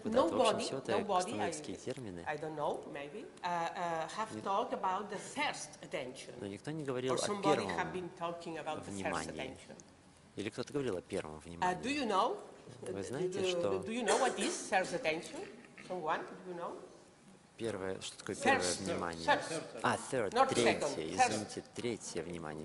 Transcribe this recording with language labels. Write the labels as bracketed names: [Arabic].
[Russian] куда-то, в общем, все это кастанедовские термины. [English] I don't know, maybe, have talked about the first attention. [Russian] Но никто не говорил о первом внимании. Или кто-то говорил о первом внимании. [English] Do you know? [Russian] Вы знаете, что... [English] Do you know what is first attention? Someone, do you know? [Russian] Первое, что такое первое внимание? А, third, третье, извините, третье внимание.